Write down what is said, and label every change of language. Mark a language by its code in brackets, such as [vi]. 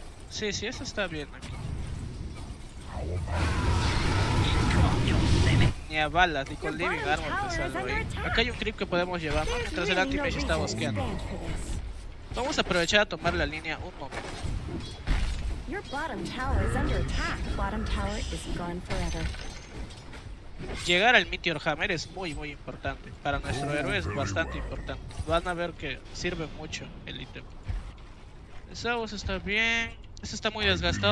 [es] Sí, sí, eso está bien aquí. Ni a balas, ni con Living Armor te salvo ahí. Acá hay un creep que podemos llevar mientras el anti-mage está bosqueando. Vamos a aprovechar a tomar la línea un momento. [en] Your bottom tower is under attack. Bottom tower is gone forever. [es] Llegar al Meteor Hammer es muy muy importante. Para nuestro héroe es bastante importante. Van a ver que sirve mucho el ítem. Zeus está bien. Ese está muy desgastado.